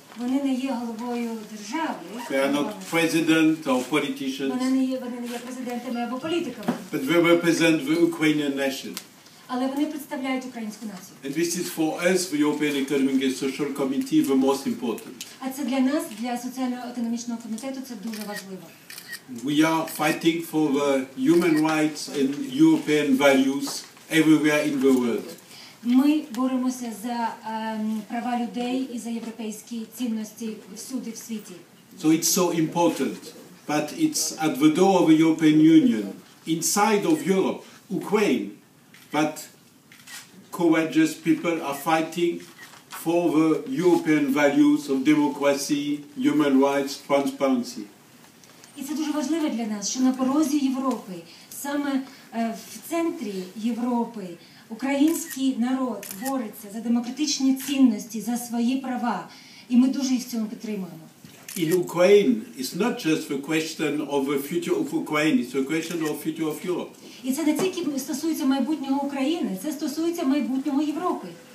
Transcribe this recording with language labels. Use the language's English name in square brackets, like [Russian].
[Ukrainian] Вони не є головою держави. [English] They are not president or politicians. [Ukrainian] Вони не є президентами або політиками. [English] But they represent the Ukrainian nation. [Ukrainian] Але вони представляють українську націю. [English] And this is for us, the European Economic and Social Committee, the most important. [Ukrainian] А це для нас, для соціально-економічного комітету, це дуже важливо. [English] We are fighting for the human rights and European values everywhere in the world. [Ukrainian] Ми боремося за права людей і за європейські цінності всюди в світі. [English] So it's so important, but it's at the door of the European Union, inside of Europe, Ukraine, that courageous people are fighting for the European values of democracy, human rights, transparency. [Ukrainian] І це дуже важливо для нас, що на порозі Європи, саме в центрі Європи, український народ бореться за демократичні цінності, за свої права, і ми дуже їх в цьому підтримуємо. [English] In Ukraine, it's not just the question of the future of Ukraine, it's a question of the future of Europe. [Ukrainian] І це не тільки стосується майбутнього України, це стосується майбутнього Європи.